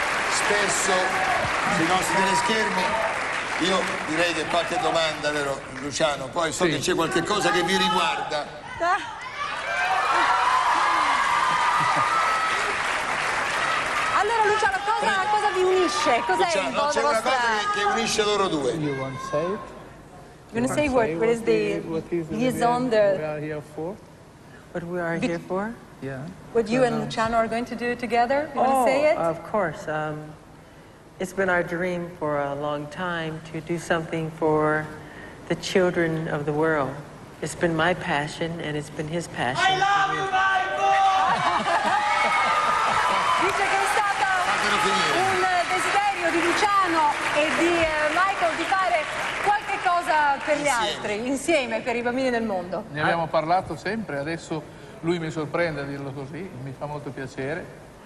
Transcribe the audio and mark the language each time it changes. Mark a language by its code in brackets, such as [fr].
[it] Spesso sui nostri teleschermi. Io direi che qualche domanda, vero Luciano? Poi so che c'è qualche cosa che vi riguarda. Allora Luciano, cosa vi unisce? Cos'è Luciano, il vostro? C'è una cosa che unisce loro due. [en] You want to say it? You want to say what? What is the liaison that we are here for? What we are here for? Yeah. What you and Luciano are going to do together? You want to say it? Oh, of course. It's been our dream for a long time to do something for the children of the world. It's been my passion and it's been his passion. I love you, Michael! [it] Dice che è stato un desiderio di Luciano e di Michael di fare qualche cosa per gli altri, insieme, per i bambini del mondo. Ne abbiamo parlato sempre, adesso lui mi sorprende a dirlo così, mi fa molto piacere.